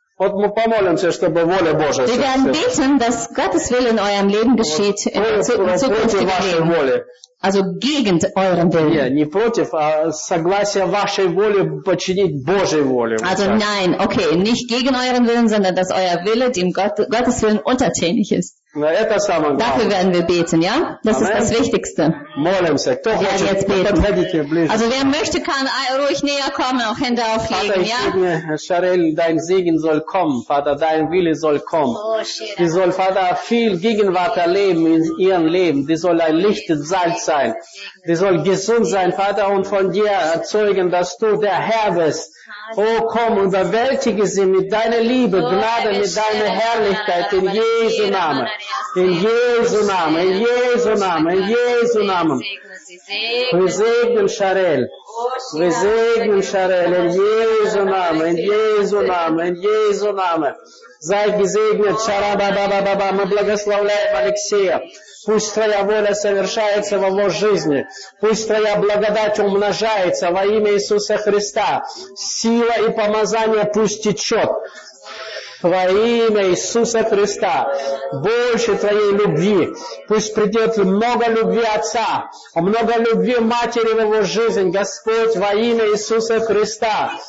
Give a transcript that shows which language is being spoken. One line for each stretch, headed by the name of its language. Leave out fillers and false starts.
Russian: Вот мы помолимся, чтобы воля Божия.
German: Wir werden beten, dass Gottes Wille in eurem Leben geschieht. Also gegen euren Willen.
Russian: Не против, а согласие вашей воли подчинить Божьей воле.
German: Also nein, okay, nicht gegen euren Willen, sondern dass euer Wille dem Gottes Willen untertänig ist.
Russian: Na, это самое главное.
German: Dafür werden wir beten, ja? Das Amen. Ist das Wichtigste.
Russian: Молимся. Кто
German: wir
Russian: хочет,
German: jetzt beten.
Russian: Подходите ближе.
German: Also wer möchte, kann ruhig näher kommen, auch Hände auflegen, ja? Vater, Sharel, dein Segen soll kommen. Vater, dein Wille soll kommen. Oh, die soll, Vater, viel Gegenwart erleben in ihrem Leben. Die soll ein Licht und Salz sein. Die soll gesund sein, Vater, und von dir erzeugen, dass du der Herr bist. Oh, komm, überwältige sie mit deiner Liebe, Gnade, mit deiner Herrlichkeit, in Jesu Namen. In Jesu Namen, in Jesu Namen, in Jesu Namen. Wir segnen Sharel. Wir segnen Sharel, in Jesu Namen, in Jesu Namen, in Jesu Namen. Sei gesegnet, Sharababababa, wir
Russian: благословляем
German: Алексея.
Russian: Пусть твоя воля совершается в его жизни. Пусть твоя благодать умножается во имя Иисуса Христа. Сила и помазание пусть течет во имя Иисуса Христа. Больше твоей любви. Пусть придет много любви Отца, много любви Матери в его жизнь, Господь, во имя Иисуса Христа.